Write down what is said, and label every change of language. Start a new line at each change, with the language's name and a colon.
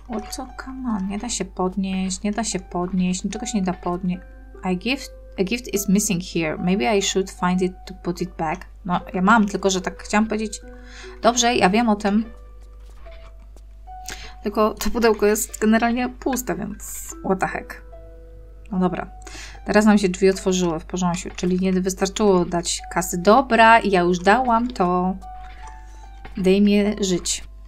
Polish: Co,
English: come on,
Polish: nie da się podnieść, nie da się podnieść, niczego się nie da podnieść.
English: A gift is missing here. Maybe I should find it to put it back.
Polish: No, ja mam, tylko że tak chciałam powiedzieć. Dobrze, ja wiem o tym. Tylko to pudełko jest generalnie puste, więc
English: what the heck.
Polish: No dobra, teraz nam się drzwi otworzyły w porządku, czyli nie wystarczyło dać kasy. Dobra, ja już dałam to. Daj mi żyć.